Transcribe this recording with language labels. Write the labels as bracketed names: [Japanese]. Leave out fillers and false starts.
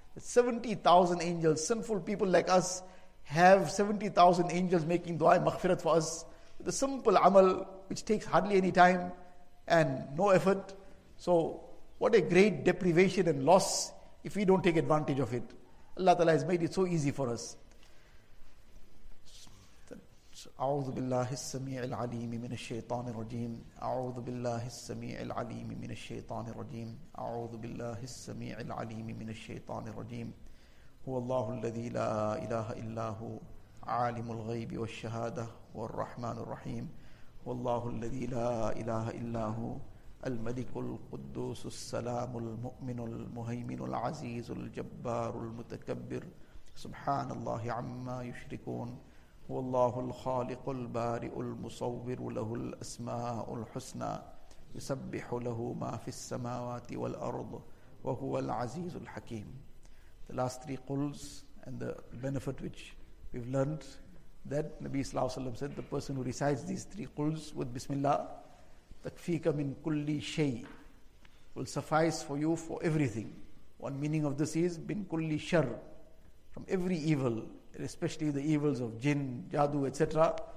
[English] 70,000 angels, sinful people like us, have 70,000 angels making dua and maghfirat for us. The simple amal which takes hardly any time and no effort. So what a great deprivation and loss if we don't take advantage of it. Allah Ta'ala has made it so easy for us. [Arabic] أعوذ بالله السميع العليم من الشيطان الرجيم أعوذ بالله السميع العليم من الشيطان الرجيم أعوذ بالله السميع العليم من الشيطان الرجيم هو الله الذي لا إله إلا هو عالم الغيب والشهادة والرحمن الرحيم هو الله الذي لا إله إلا هو الملك القدوس السلام المؤمن المهيمن العزيز الجبار المتكبر سبحان الله عما يشركون هو الله الخالق البارئ المصور له الأسماء الحسنى يسبح له ما في السماوات والأرض وهو العزيز الحكيم. [English] The last three quls and the benefit which we've learned, that Nabi صلى الله عليه وسلم said, the person who recites these three quls with Bismillah, [Arabic] تكفيك من كل شيء, [English] will suffice for you for everything. One meaning of this is [Arabic] من كل شر, [English] from every evil, especially the evils of jinn, jadu, etc.